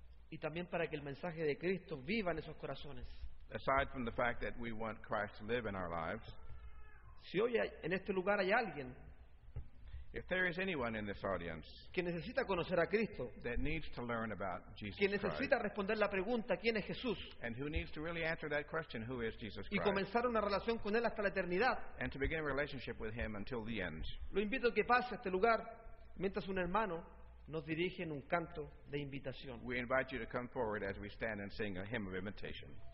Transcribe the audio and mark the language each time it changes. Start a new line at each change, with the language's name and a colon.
Spanish: Y también para que el mensaje de Cristo viva en esos corazones.
English: Aside from the fact that we want Christ to live in our lives.
Spanish: Si hoy en este lugar hay alguien.
English: If there is anyone in this audience.
Spanish: Que necesita conocer a Cristo.
English: That needs to learn about Jesus.
Spanish: Que necesita
English: Christ,
Spanish: responder la pregunta ¿quién es Jesús?
English: And who needs to really answer that question who is Jesus Christ?
Spanish: Y comenzar una relación con él hasta la eternidad.
English: And to begin a relationship with him until the end.
Spanish: Lo invito a que pase a este lugar mientras un hermano nos dirige en un canto de invitación.
English: We invite you to come forward as we stand and sing a hymn of invitation.